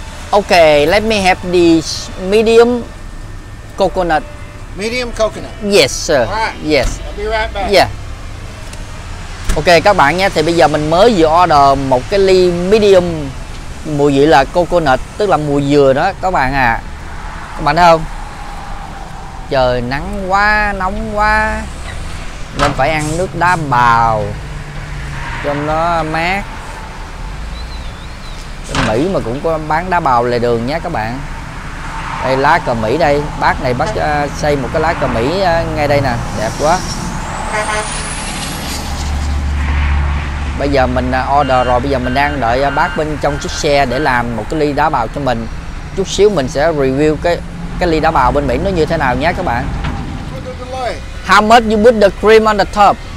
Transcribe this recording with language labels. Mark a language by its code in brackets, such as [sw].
[en] Ok, let me have the medium coconut. Medium coconut. Yes sir. All right. Yes. I'll be right back. Yeah. [vi] Ok các bạn nhé, thì bây giờ mình mới vừa order một cái ly medium, mùi vị là coconut, tức là mùi dừa đó các bạn à. Các bạn thấy không, trời nắng quá, nóng quá nên phải ăn nước đá bào cho nó mát. Bên Mỹ mà cũng có bán đá bào lề đường nhé các bạn. Đây lá cờ Mỹ đây, bác này bác xây một cái lá cờ Mỹ ngay đây nè, đẹp quá. Bây giờ mình order rồi, bây giờ mình đang đợi bác bên trong chiếc xe để làm một cái ly đá bào cho mình. Chút xíu mình sẽ review cái ly đá bào bên Mỹ nó như thế nào nhé các bạn. [en] How much you put the cream on the top?